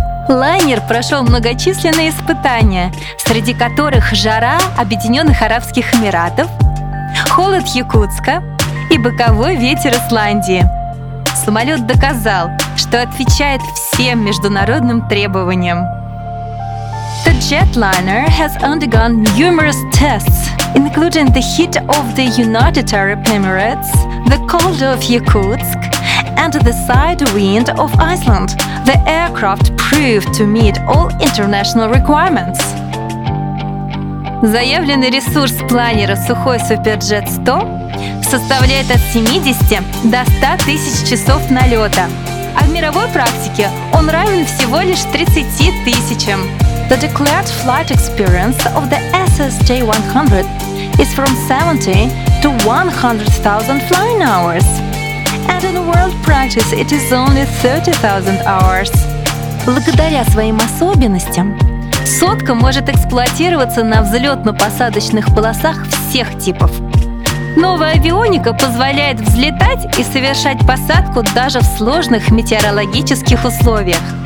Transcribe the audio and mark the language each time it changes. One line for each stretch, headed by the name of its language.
Russian: Лайнер прошел многочисленные испытания, среди которых жара Объединенных Арабских Эмиратов, холод Якутска и боковой ветер Исландии. Самолет доказал, что что отвечает всем международным требованиям.
English: The jetliner has undergone numerous tests, including the heat of the United Arab Emirates, the cold of Yakutsk, and the side wind of Iceland. The aircraft proved to meet all international requirements.
Russian: Заявленный ресурс планера «Сухой Суперджет 100» составляет от 70 до 100 тысяч часов налета, а в мировой практике он равен всего лишь 30 тысячам.
English: The declared flight experience of the SSJ-100 is from 70 to 100,000 flying hours, and in world practice it is only 30,000 hours.
Russian: Благодаря своим особенностям, сотка может эксплуатироваться на взлетно-посадочных полосах всех типов. Новая авионика позволяет взлетать и совершать посадку даже в сложных метеорологических условиях.